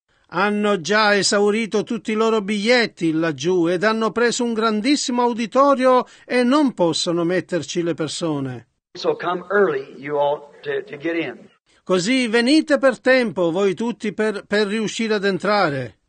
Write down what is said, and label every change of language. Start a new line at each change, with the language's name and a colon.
Italian: Hanno già esaurito tutti i loro biglietti laggiù ed hanno preso un grandissimo auditorio e non possono metterci le persone.
English: So come early, you all, to get in.
Italian: Così venite per tempo voi tutti per riuscire ad entrare.